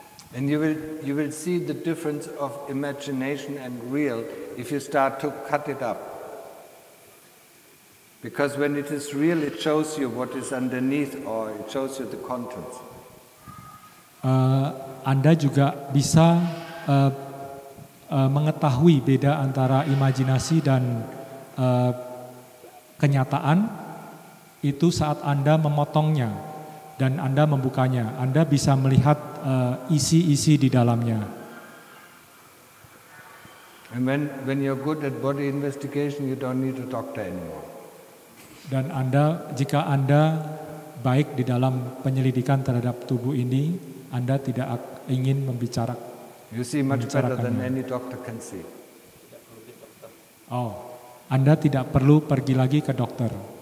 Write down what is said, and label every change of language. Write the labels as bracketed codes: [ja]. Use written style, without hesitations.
[en] And you will see the difference of imagination and real if you start to cut it up. Because when it is real, it shows you what is underneath, or it shows you the contents. [id] Anda juga bisa mengetahui beda antara imajinasi dan kenyataan itu saat Anda memotongnya dan Anda membukanya. Anda bisa melihat isi-isi di dalamnya. [en] And when you're good at body investigation, you don't need a doctor anymore. [id] Dan Anda, jika Anda baik di dalam penyelidikan terhadap tubuh ini, Anda tidak ingin membicarakan. [en] You see much better than any doctor can see. [id] Oh, Anda tidak perlu pergi lagi ke dokter.